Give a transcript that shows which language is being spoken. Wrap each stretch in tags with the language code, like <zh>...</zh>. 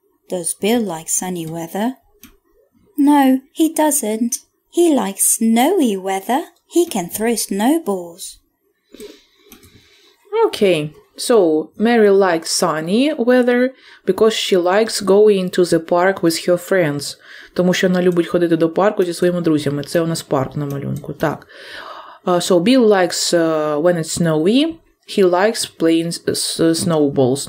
<en>Does Bill like sunny weather? No, he doesn't. He likes snowy weather. He can throw snowballs. Okay, so Mary likes sunny weather because she likes going to the park with her friends.</en> <uk>Тому що вона любить ходити до парку зі своїми друзями. Це у нас парк на малюнку. Так.</uk> <en>So Bill likes when it's snowy, he likes playing snowballs.</en>